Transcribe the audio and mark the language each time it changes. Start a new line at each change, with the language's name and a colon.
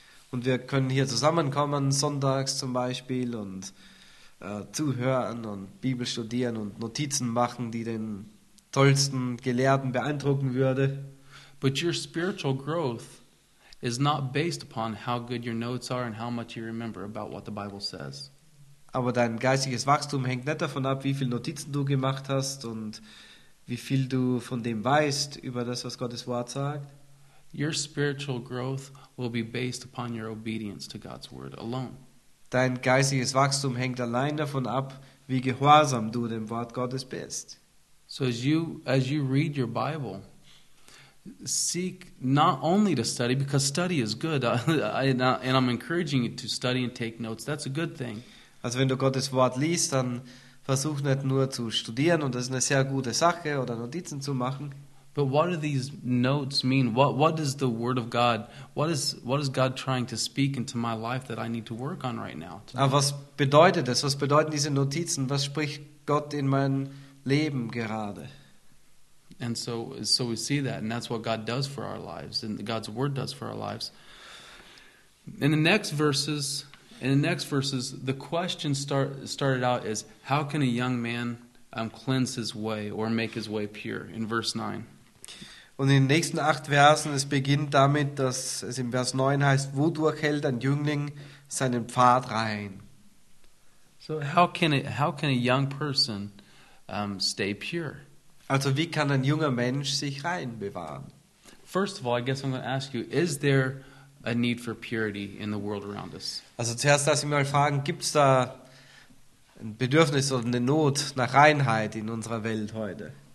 German: Und wir können hier zusammenkommen, sonntags zum Beispiel, und zuhören und Bibel studieren und Notizen machen, die den tollsten Gelehrten beeindrucken würde.
English: But your spiritual growth is not based upon how good your notes are and how much you remember about what the Bible says.
German: Aber dein geistiges Wachstum hängt nicht davon ab, wie viele Notizen du gemacht hast und wie viel du von dem weißt über das, was Gottes Wort sagt.
English: Your spiritual growth will be based upon your obedience to God's word alone.
German: Dein geistiges Wachstum hängt allein davon ab, wie gehorsam du dem Wort Gottes bist.
English: So as you read your Bible, seek not only to study, because study is good, and I'm encouraging you to study and take notes. That's a good thing.
German: Also wenn du Gottes Wort liest, dann versuch nicht nur zu studieren, und das ist eine sehr gute Sache, oder Notizen zu machen.
English: But what do these notes mean? What is the word of God? What is God trying to speak into my life that I need to work on right now?
German: Aber was bedeutet das? Was bedeuten diese Notizen? Was spricht Gott in mein Leben gerade?
English: And so we see that, and that's what God does for our lives, and God's word does for our lives. In the next verses, the question started out as, how can a young man cleanse his way or make his way pure? In verse 9.
German: Und in den nächsten 8 Versen, es beginnt damit, dass es in Vers 9 heißt, wodurch hält ein Jüngling seinen Pfad rein?
English: So how can a young person stay pure?
German: Also wie kann ein junger Mensch sich rein bewahren?
English: First of all, I guess I'm going to ask you, is there a need for purity in the world around us?
German: Also zuerst lasse ich mal fragen, gibt es da ein Bedürfnis oder eine Not nach Reinheit in unserer Welt heute?